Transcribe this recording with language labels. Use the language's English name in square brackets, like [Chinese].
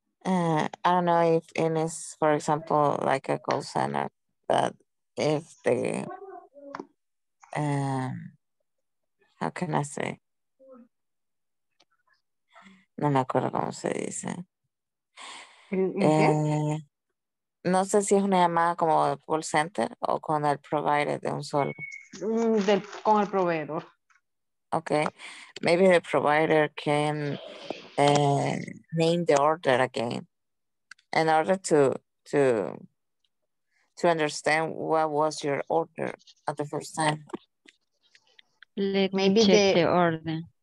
[English] I don't know if it is, for example, like a call center, but if the how can I say? [Spanish] No me acuerdo cómo se dice. No sé si es una llamada como call center o con el provider de un solo. Con el proveedor. [English] Okay. Maybe the provider can name the order again in order to understand what was your order at the first time. Let maybe check the order.